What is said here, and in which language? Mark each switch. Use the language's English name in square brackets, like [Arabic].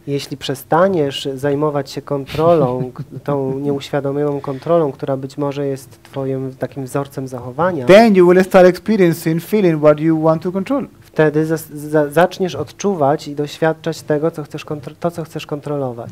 [Polish] Jeśli przestaniesz zajmować się kontrolą, tą nieuświadomioną kontrolą, która być może jest twoim takim wzorcem zachowania, [English] then you will start experiencing feeling what you want to control. [Polish] Wtedy zaczniesz odczuwać i doświadczać tego, co chcesz kontrolować.